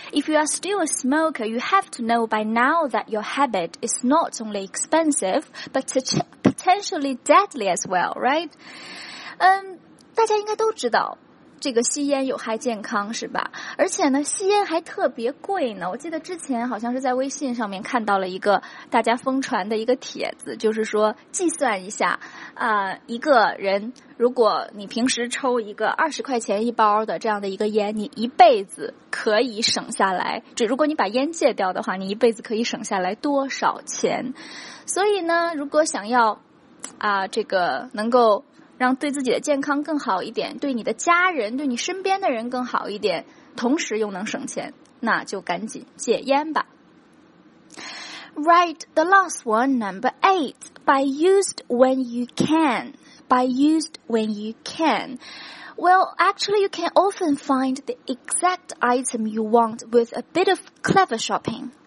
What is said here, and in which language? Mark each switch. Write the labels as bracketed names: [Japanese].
[English] If you are still a smoker, you have to know by now that your habit is not only expensive, but potentially deadly as well, right? [Chinese] 大家应该都知道这个吸烟有害健康是吧？而且呢，吸烟还特别贵呢。我记得之前好像是在微信上面看到了一个大家疯传的一个帖子，就是说计算一下，一个人如果你平时抽一个20块钱一包的这样的一个烟，你一辈子可以省下来，就如果你把烟戒掉的话，你一辈子可以省下来多少钱？所以呢，如果想要这个能够让对自己的健康更好一点，对你的家人对你身边的人更好一点，同时又能省钱，那就赶紧戒烟吧。 [English] Right, the last one, number eight, buy used when you can. Buy used when you can. Well, actually you can often find the exact item you want with a bit of clever shopping.